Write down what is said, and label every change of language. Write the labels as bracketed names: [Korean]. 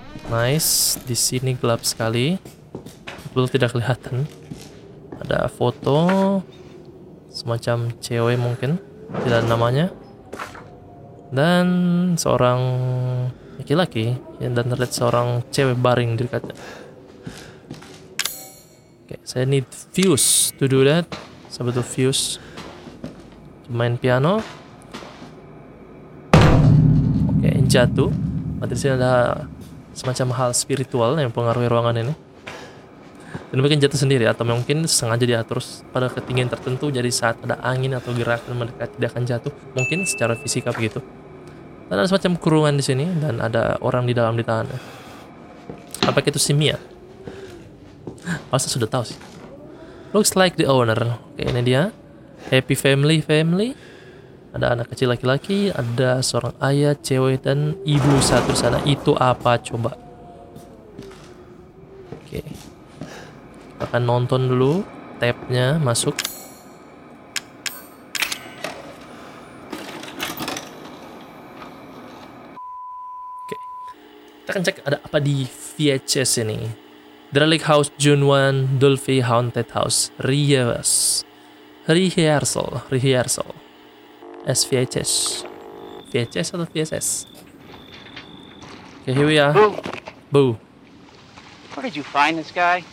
[Indonesian] Nice, di sini gelap sekali. Betul tidak kelihatan. Ada foto semacam cewek mungkin, tidak ada namanya, dan seorang laki-laki dan terlihat seorang cewek baring di dekatnya. Oke, saya [English] need fuse to do that. [Indonesian] Saya butuh fuse. Main piano. Oke, jatuh. Mati di sini ada semacam hal spiritual yang mempengaruhi ruangan ini. Dan mungkin jatuh sendiri atau mungkin sengaja diatur pada ketinggian tertentu, jadi saat ada angin atau gerakan mereka tidak akan jatuh, mungkin secara fisika begitu. Dan ada semacam kurungan di sini dan ada orang di dalam ditahan. Apakah itu si Mia? Masa sudah tahu sih. [English] Looks like the owner. [Indonesian] Oke, ini dia. [English] Happy family family. [Indonesian] Ada anak kecil laki-laki, ada seorang ayah, cewek dan ibu satu sana. Itu apa coba? Oke. Akan nonton dulu tape-nya masuk. Oke. Kita akan cek ada apa di VHS ini. [English] Derelict House June 1, Dolphy Haunted House, Rivers. Rehearsal. SVHS. VHS atau VSS? Okay, here we are. Boo. Boo. Where did you find this guy?